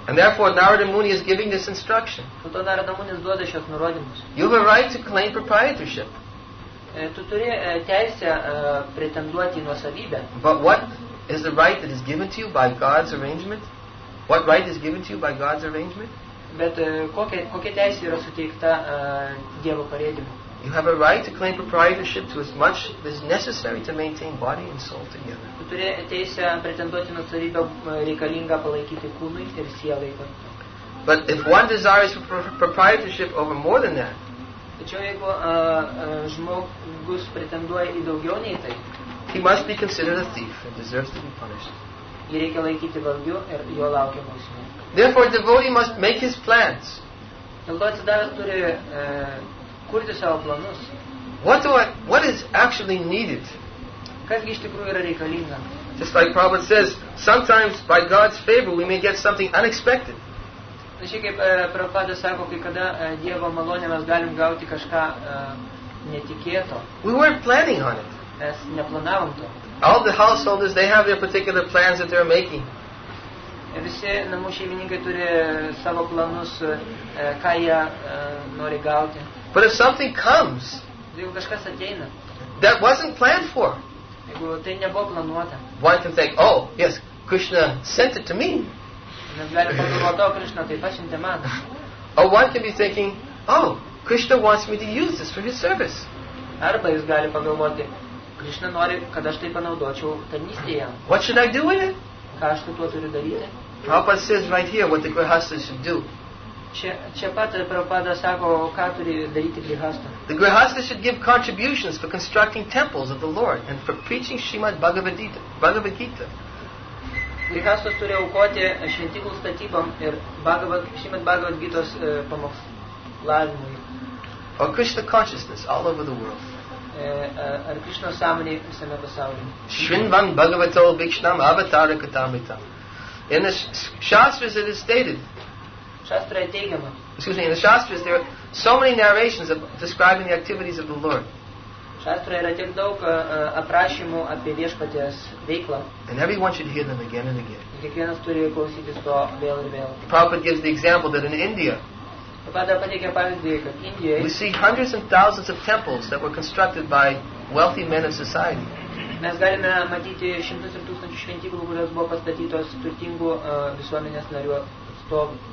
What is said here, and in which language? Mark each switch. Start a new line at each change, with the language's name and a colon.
English: And therefore Narada Muni is giving this instruction.
Lithuanian: Po to Narada Munis duoda šios nurodymus.
English: You have a right to claim proprietorship.
Lithuanian: Tu turi teisę pretenduoti į nuosavybę.
English: But what is the right that is given to you by God's arrangement? What right is given to you by God's arrangement?
Lithuanian: Bet kokia teisė yra suteikta Dievo parėdimu?
English: You have a right to claim proprietorship to as much as necessary to maintain body and soul together.
Lithuanian: Tu turi teisę pretenduoti į nuosavybę reikalingą palaikyti kūnui ir sielai.
English: But if one desires proprietorship over more than that,
Lithuanian: tačiau jeigu žmogus pretenduoja į daugiau nei tai,
English: he must be considered a thief and deserves to be punished.
Lithuanian: Jį reikia laikyti vargiu ir jo laukia bausmė.
English: Therefore, devotee must make his plans.
Lithuanian: Dėl to atsidavęs turi kurti savo planus.
English: What is actually needed?
Lithuanian: Kas gi iš tikrųjų yra reikalinga?
English: Just like Prabhupada says, sometimes by God's favor we may get something unexpected.
Lithuanian: Tačiau kaip Prabhupada sako, kai kada Dievo malonė mes galim gauti kažką netikėto.
English: We weren't planning on it.
Lithuanian: Mes neplanavom to.
English: All the householders, they have their particular plans that they're making.
Lithuanian: Visi namų šeimininkai turi savo planus, ką jie nori gauti.
English: But if something comes,
Lithuanian: jeigu kažkas ateina,
English: that wasn't planned for,
Lithuanian: jeigu tai nebuvo planuota,
English: one can think, oh, yes, Krishna sent it to me. Or one can be thinking, oh, Krishna wants me to use this for his service.
Lithuanian: Arba jis gali pagalvoti, Krishna nori, kad aš tai panaudočiau tarnystėje.
English: What should I do with it?
Lithuanian: Ką aš su tuo turiu daryti?
English: Prabhupada says right here what the grihastha should do.
Lithuanian: Čia pat Prabhupada sako, ką turi daryti grihastha.
English: The grihastha should give contributions for constructing temples of the Lord and for preaching Srimad Bhagavad Gita.
Lithuanian: Grihastas turi aukoti šventiklų statybom ir šimt Bhagavad Gitos pamokslavimui.
English: Or Krishna consciousness all over the world.
Lithuanian: Ar Krishna sąmonė visame pasaulyje.
Sanskrit: Shrinvan Bhagavato Vikshnam Avatara Katamitam.
English: In the Shastras it is stated.
Lithuanian: Shastra teigiama.
English: Excuse me, in the Shastras there are so many narrations describing the activities of the Lord.
Lithuanian: Шастра yra tiek daug aprašymų apie viešpaties veiklą.
English: And everyone should hear them again and again.
Lithuanian: Kiekvienas turi klausytis to vėl ir vėl.
English: Prabhupada gives the example that in India, we see hundreds and thousands of temples that were constructed by wealthy men of society.
Lithuanian: Mes galime matyti šimtus ir tūkstančių šventyklų, kurios buvo pastatytos turtingų visuomenės narių atstovų.